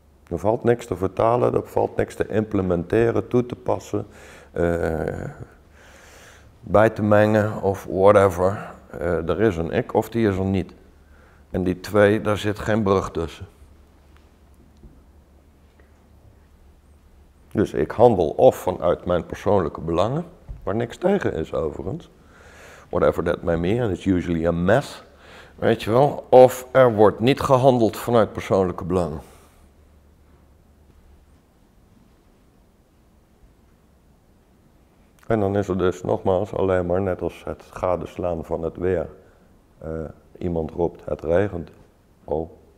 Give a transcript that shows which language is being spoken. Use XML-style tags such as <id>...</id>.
<nl>Er valt niks te vertalen, er valt niks te implementeren, toe te passen, bij te mengen of whatever. Er is een ik of die is er niet. En die twee, daar zit geen brug tussen. Dus ik handel of vanuit mijn persoonlijke belangen, waar niks tegen is overigens.</nl> <en>Whatever that may mean, it's usually a mess.</en> <nl>Weet je wel? Of er wordt niet gehandeld vanuit persoonlijke belangen. En dan is er dus nogmaals alleen maar net als het gadeslaan van het weer. Iemand roept, het regent. Oh.</nl>